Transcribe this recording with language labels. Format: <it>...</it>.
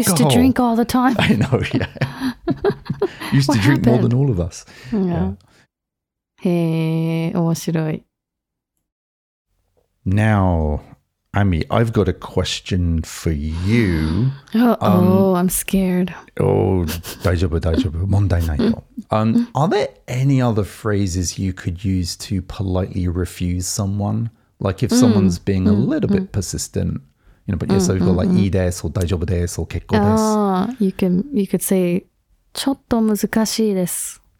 <en>You used to drink all the time. I know, yeah. used to drink more than all of us. Yeah. Hey,</en> <ja>面白い.</ja> <en>Now, Ami, I've got a question for you. I'm scared.</en> <ja>Oh, 大丈夫, 問題ないよ.</ja> <en>Are there any other phrases you could use to politely refuse someone? Like if someone's being a little bit persistent, you know, but yeah, so you've got like</en> <ja>いいです</ja> <en>or</en> <ja>大丈夫です</ja> <en>or</en> <ja>結構です.</ja> <en>You could say</en> <ja>ちょっと難しいです.</ja>